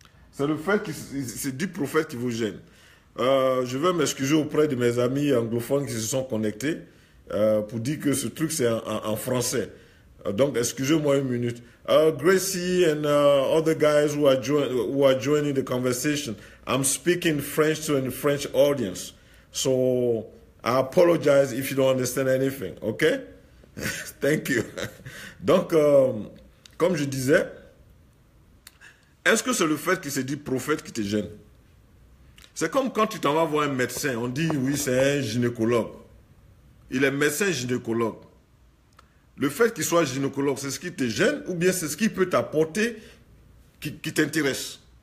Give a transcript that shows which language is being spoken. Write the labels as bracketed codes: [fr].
[fr] C'est le fait qu'il se dit prophète qui vous gêne. Je veux m'excuser auprès de mes amis anglophones qui se sont connectés pour dire que ce truc c'est en français. Donc excusez-moi une minute. [en] Gracie and other guys who are joining the conversation, I'm speaking French to a French audience. So I apologize if you don't understand anything, OK? Thank you. [fr] Donc, comme je disais, est-ce que c'est le fait qu'il se dit prophète qui te gêne? C'est comme quand tu t'en vas voir un médecin, on dit oui, c'est un gynécologue. Il est médecin gynécologue. Le fait qu'il soit gynécologue, c'est ce qui te gêne ou bien c'est ce qui peut t'apporter qui t'intéresse?